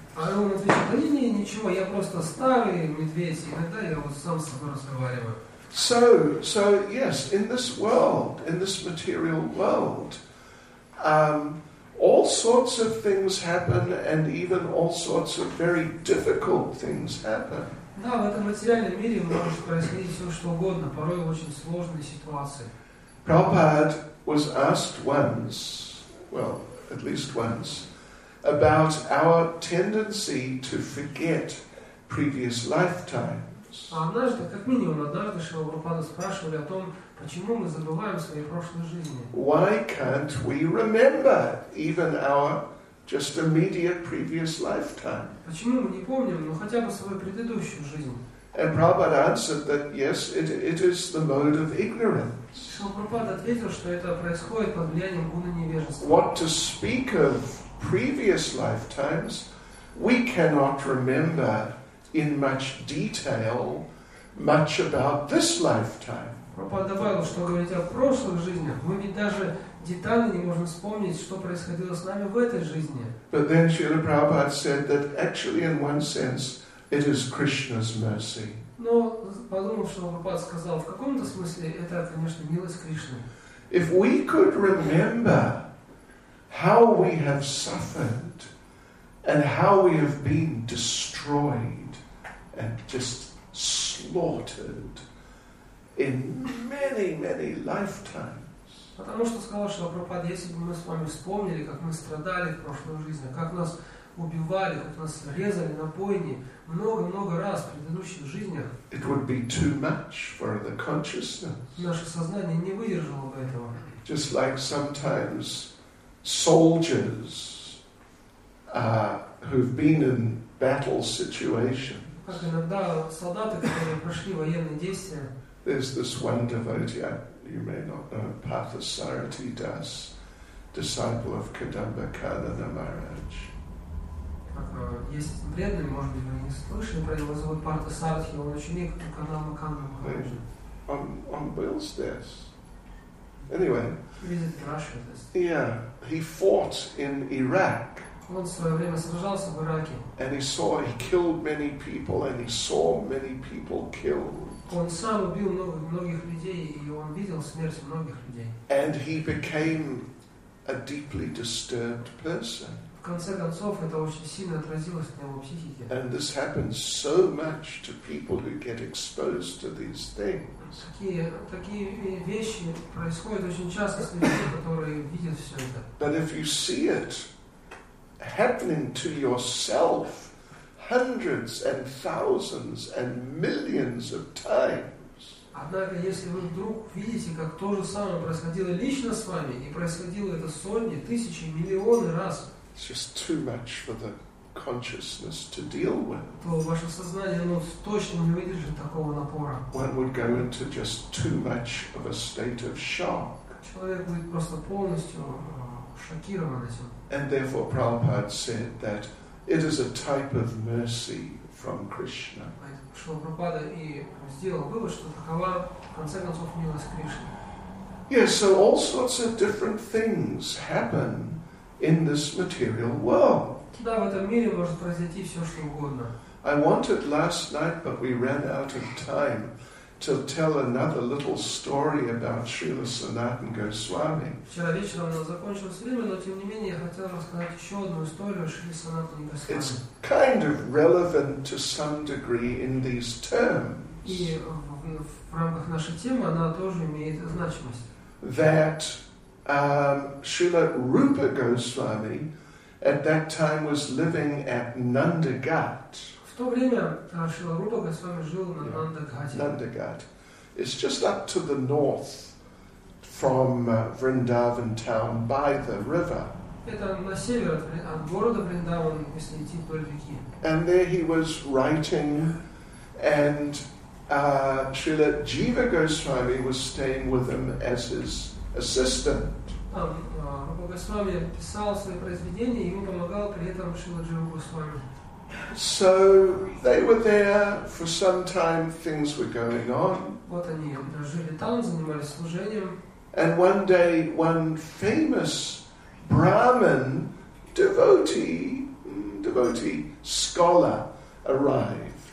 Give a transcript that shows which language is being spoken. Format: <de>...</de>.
<ru>А он отвечал, да не, ничего, я просто старый медведь, иногда я вот сам с собой разговариваю.</ru> <en>So, yes, in this world, in this material world, all sorts of things happen, and even all sorts of very difficult things happen.</en> <ru>Да, в этом материальном мире может происходить все, что угодно, порой очень сложные ситуации.</ru> <en>Prabhupada was asked once, well, at least once, about our tendency to forget previous lifetimes.</en> <ru>Однажды, как минимум однажды, Шрила Прабхупада спрашивали о том, почему мы забываем свои прошлые жизни.</ru> <en>Why can't we remember even our just immediate previous lifetime?</en> <ru>Почему мы не помним, ну хотя бы свою предыдущую жизнь?</ru> <en>And Prabhupada answered that yes, it is the mode of ignorance.</en> <ru>Шрила Прабхупада ответил, что это происходит под влиянием гуны невежества.</ru> <en>What to speak of previous lifetimes, we cannot remember in much detail much about this lifetime.</en> <ru>Прабхупада добавил, что говорить о прошлых жизнях, мы ведь даже детально не можем вспомнить, что происходило с нами в этой жизни.</ru> <en>But then Srila Prabhupada said that actually in one sense it is Krishna's mercy.</en> <ru>Но подумав, что Прабхупада сказал, в каком-то смысле это, конечно, милость Кришны.</ru> <en>If we could remember how we have suffered and how we have been destroyed and just slaughtered in many, many lifetimes.</en> <ru>Потому что сказал Шрила Прабхупада, если бы мы с вами вспомнили, как мы страдали в прошлой жизни, как нас убивали, как нас резали на бойне много-много раз в предыдущих жизнях,</ru> <en>it would be too much for the consciousness.</en> <ru>Наше сознание не выдержало бы этого.</ru> <en>Just like sometimes soldiers who've been in battle situations.</en> <ru>Как иногда солдаты, которые прошли военные действия.</ru> <en>There's this one devotee, you may not know, Parthasarathi Das, disciple of Kadamba Kanana Maharaj.</en> <ru>Есть преданный, может быть, вы не слышали, про него зовут Парта-Сарати, он ученик Кадамба Кана Махараджа.</ru> <en>On Bill's desk. Anyway, yeah, he fought in Iraq.</en> <ru>Он в свое время сражался в Ираке.</ru> <en>And he killed many people, and he saw many people killed.</en> <ru>Он сам убил многих людей, и он видел смерть многих людей.</ru> <en>And he became a deeply disturbed person.</en> <ru>конце концов это очень сильно отразилось на его психике.</ru> <en>And this happens so much to people who get exposed to these things.</en> <ru>Такие вещи происходят очень часто с людьми, которые видят все это.</ru> <en>But if you see it happening to yourself hundreds and thousands and millions of times.</en> <ru>Однако, если вы вдруг видите, как то же самое происходило лично с вами, и происходило это сотни, тысячи, миллионы раз,</ru> <en>it's just too much for the consciousness to deal with.</en> <ru>То ваше сознание, оно точно не выдержит такого напора.</ru> <en>One would go into just too much of a state of shock.</en> <ru>Человек будет просто полностью шокирован этим.</ru> <en>And therefore, Prabhupada said that it is a type of mercy from Krishna.</en> <ru>Шрила Прабхупада и сделал вывод, что такова, в конце концов, милость Кришны.</ru> <en>Yes, so all sorts of different things happen in this material world.</en> <ru>Да, в этом мире может произойти все, что угодно.</ru> <en>I wanted last night, but we ran out of time, to tell another little story about Srila Sanatan Goswami.</en> <ru>Вчера вечером у нас закончилось время, но тем не менее я хотел рассказать еще одну историю Шрилы Санатаны Госвами.</ru> <en>It's kind of relevant to some degree in these terms.</en> <ru>И в рамках нашей темы она тоже имеет значимость.</ru> <en>That Srila Rupa Goswami at that time was living at Nandagat.</en> <ru>В то время Шрила Рупа Госвами жил на Нандагате. Нандагат.</ru> <en>It's just up to the north from Vrindavan town by the river.</en> <ru>Это на север от города Вриндаван, если идти вдоль реки.</ru> <en>And there he was writing, and Srila Jiva Goswami was staying with him as his assistant.</en> <ru>Там Рупа Госвами писал свои произведения, ему помогал при этом Шрила Джива Госвами.</ru> <en>So they were there for some time, things were going on.</en> <ru>Вот они жили там, занимались служением.</ru> <en>And one day one famous Brahmin devotee scholar arrived.</en>